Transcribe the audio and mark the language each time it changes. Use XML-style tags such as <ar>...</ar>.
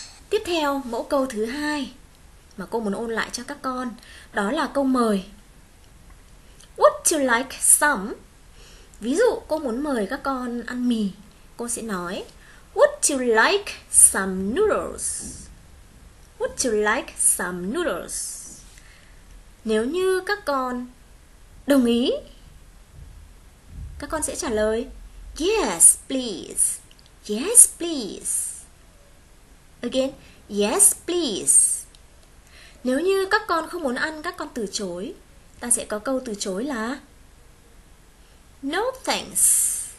<vi>Tiếp theo, mẫu câu thứ hai mà cô muốn ôn lại cho các con, đó là câu mời.</vi> <en>Would you like some?</en> <vi>Ví dụ cô muốn mời các con ăn mì, cô sẽ nói</vi> <en>Would you like some noodles? Would you like some noodles?</en> <vi>Nếu như các con đồng ý, các con sẽ trả lời</vi> <en>Yes, please. Yes, please. Again, yes, please.</en> <vi>Nếu như các con không muốn ăn, các con từ chối, ta sẽ có câu từ chối là</vi> <en>No thanks.</en>